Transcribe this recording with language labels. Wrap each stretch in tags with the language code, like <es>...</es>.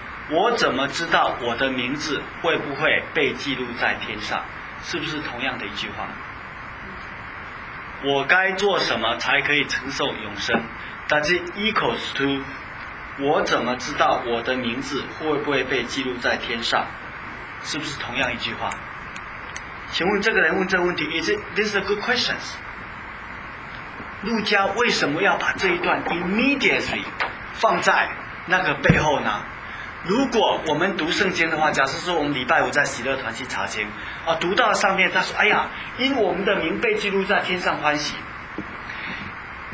<zh>我怎么知道我的名字会不会被记录在天上？是不是同样的一句话？我该做什么才可以承受永生？但是</zh> <en>equals to，</en> <zh>我怎么知道我的名字会不会被记录在天上？是不是同样一句话？请问这个人问这个问题</zh> <en>，Is it this is a good questions？</en> <zh>路加为什么要把这一段 immediately 放在那个背后呢？如果我们读圣经的话，假设说我们礼拜五在喜乐团去查经啊，读到上面他说：“哎呀，因我们的名被记录在天上欢喜。”</zh>